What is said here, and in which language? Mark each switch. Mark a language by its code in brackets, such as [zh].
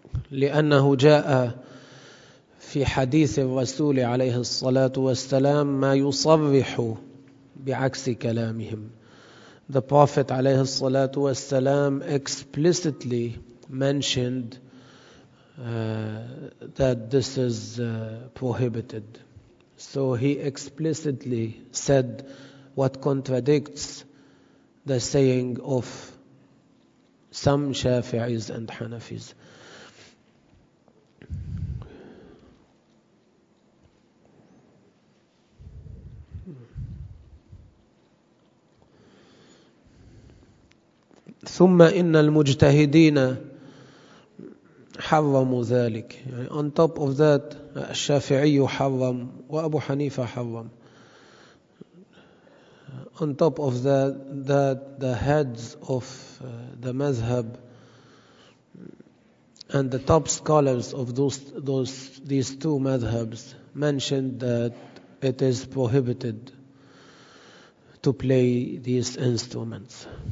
[ar] لأنه جاء في حديث الرسول عليه الصلاة والسلام ما يصرح بعكس كلامهم. [en] The Prophet [ar] عليه الصلاة والسلام [en] explicitly mentioned that this is prohibited. So he explicitly said what contradicts the saying of some Shafi'is and Hanafis. [ar] ثم إن المجتهدين حرموا ذلك. يعني [en] on top of that [ar] الشافعي حرم وأبو حنيفة حرم. [en] On top of that the heads of the madhhab and the top scholars of these two madhhabs mentioned that it is prohibited to play these instruments.